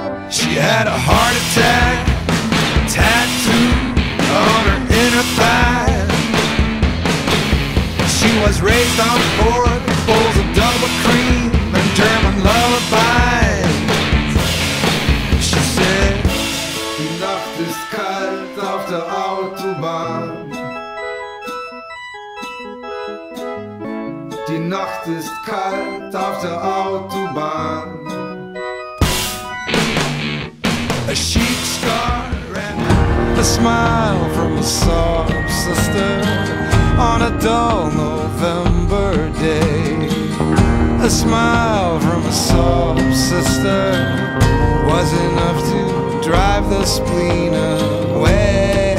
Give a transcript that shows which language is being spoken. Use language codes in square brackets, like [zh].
[en] She had a heart attack, tattooed on her inner thigh. She was raised on pork, bowls of double cream and German lullabies. She said, [de] "Die Nacht ist kalt auf der Autobahn. Die Nacht ist kalt auf der Autobahn." [en] A chic scar and a smile from a soft sister on a dull November day. A smile from a soft sister was enough to drive the spleen away.